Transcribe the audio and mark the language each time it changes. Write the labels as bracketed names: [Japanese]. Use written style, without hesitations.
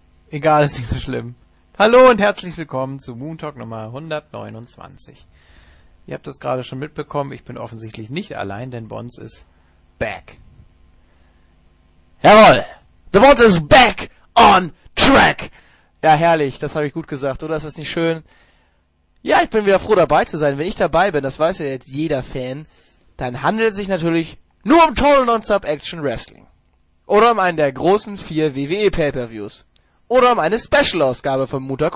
[German] Egal, ist nicht so schlimm. Hallo und herzlich willkommen zu Moon Talk Nummer 129. Ihr habt das gerade schon mitbekommen, ich bin offensichtlich nicht allein, denn Bonz ist back. [English] Jawohl, the Bonz is back on track. [German] Ja, herrlich, das habe ich gut gesagt, oder? Ist das nicht schön? Ja, ich bin wieder froh, dabei zu sein. Wenn ich dabei bin, das weiß ja jetzt jeder Fan, dann handelt es sich natürlich nur um Total Nonstop Action Wrestling. Oder um einen der großen vier WWE-Pay-Per-Views. Oder um eine Special-Ausgabe von Montag.